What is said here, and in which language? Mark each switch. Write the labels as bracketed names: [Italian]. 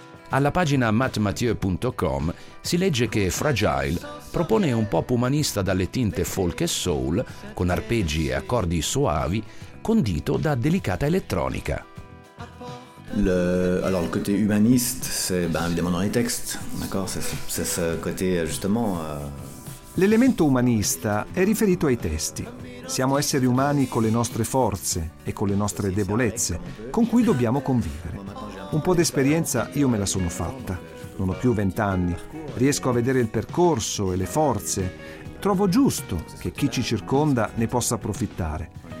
[Italian] Alla pagina mattmathieu.com si legge che Fragile propone un pop umanista dalle tinte folk e soul, con arpeggi e accordi soavi, condito da delicata elettronica. [French] Alors le côté humaniste, c'est ben évidemment dans les textes, d'accord, c'est ce côté justement. [Italian] L'elemento umanista è riferito ai testi. Siamo esseri umani con le nostre forze e con le nostre debolezze, con cui dobbiamo convivere. Un po' d'esperienza io me la sono fatta. Non ho più 20 anni. Riesco a vedere il percorso e le forze. Trovo giusto che chi ci circonda ne possa approfittare.